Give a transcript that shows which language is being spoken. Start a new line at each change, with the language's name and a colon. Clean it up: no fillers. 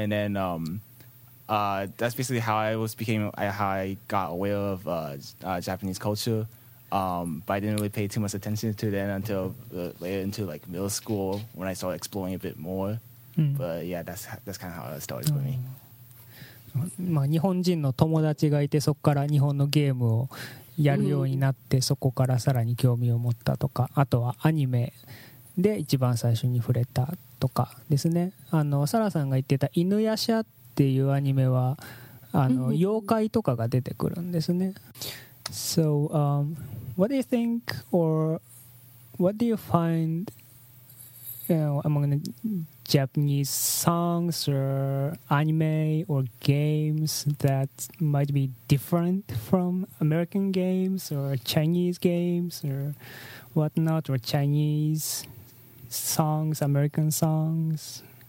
English: And then that's basically how I got aware of Japanese culture. But I didn't really pay too much attention to that until later into like middle school, when I started exploring a bit more. But yeah, that's kind of how it started for me.
Japanese: まあ、日本人の友達がいて、そこから日本のゲームをやるようになって、そこからさらに興味を持ったとか、あとはアニメで一番最初に触れたとかですね。あのサラさんが言ってた犬夜叉っていうアニメは、あの妖怪とかが出てくるんですね。
English: So, what do you think, or what do you find, among the Japanese songs or anime or games that might be different from American games or Chinese games or whatnot, or Chinese songs, American songs?